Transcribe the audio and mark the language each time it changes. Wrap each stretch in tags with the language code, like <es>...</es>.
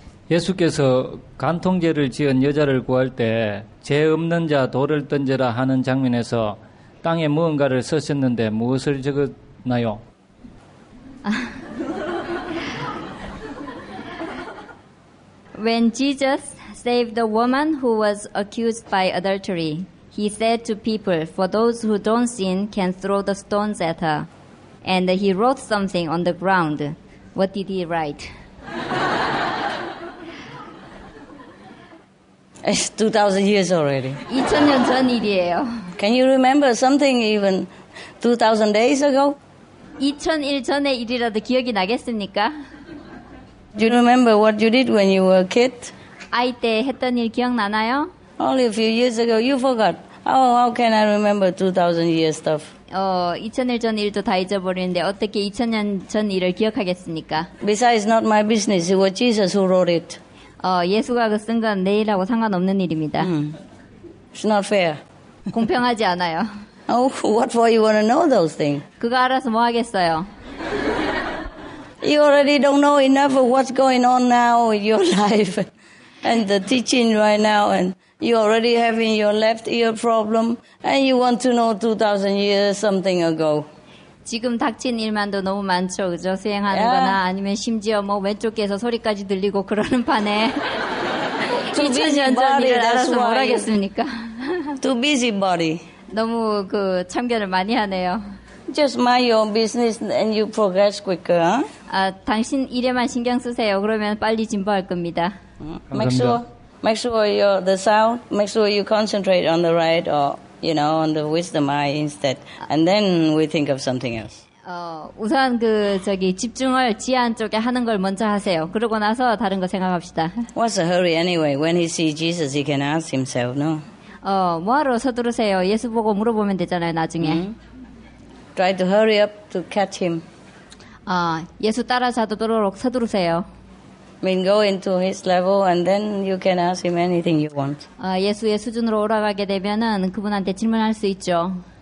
<ko>예수께서 간통죄를 지은 여자를 구할 때 죄 없는 자 돌을 던져라 하는 장면에서 땅에 무언가를 쓰셨는데 무엇을 적었나요?</ko> <en>아. When Jesus save the woman who was accused by adultery. He said to people, for those who don't sin can throw the stones at her. And he wrote something on the ground. What did he write? It's 2,000 years already.</en> <ko>2,000 전 일이에요.</ko> <en>Can you remember something even 2,000 days ago?</en> <ko>2,000일 전의 일이라도 기억이 나겠습니까?</ko> <en>Do you remember what you did when you were a kid?</en> <ko>아이 때 했던 일 기억나나요?</ko> <en>Only a few years ago, you forgot. How can I remember 2,000 years stuff?</en> <ko>2,000일 전 일도 다 잊어버리는데 어떻게 2,000년 전 일을 기억하겠습니까?</ko> <en>Besides, not my business. It was Jesus who wrote it.</en> <ko>예수가 그 쓴 건 내 일하고 상관없는 일입니다.</ko> <en>It's not fair.</en> <ko>공평하지 않아요.</ko> <en>Oh, what for you want to know those things?</en> <ko>그거 알아서 뭐 하겠어요?</ko> <en>You already don't know enough of what's going on now in your life and the teaching right now, and you already having your left ear problem, and you want to know 2,000 years something ago.</en> <ko>지금 닥친 일만도 너무 많죠, 그죠? 수행하는거나 yeah. 아니면 심지어 뭐 왼쪽 귀에서 소리까지 들리고 그러는 판에 2,000년 전 일을 알아서 뭘 하겠습니까?</ko> <en>Too busy body.</en> <ko>너무 그 참견을 많이 하네요.</ko> <en>Just mind your business and you progress quicker. Huh?</en> <ko>당신 일에만 신경 쓰세요. 그러면 빨리 진보할 겁니다.</ko> <en>Make sure you're the sound. Make sure you concentrate on the right or you know on the wisdom eye instead. And then we think of something else.</en> <ko>우선 그 저기 집중을 지안 쪽에 하는 걸 먼저 하세요. 그러고 나서 다른 거 생각합시다.</ko> <en>What's the hurry anyway? When he sees Jesus, he can ask himself, no?</en> <ko>뭐하러 서두르세요? 예수 보고 물어보면 되잖아요, 나중에.</ko> <en>Try to hurry up to catch him.</en> <ko>예수 따라잡도록 서두르세요.</ko> <en>I mean, go into his level and then you can ask him anything you want.</en> <ko>예수의 수준으로 올라가게 되면은 그분한테 질문할 수 있죠.</ko>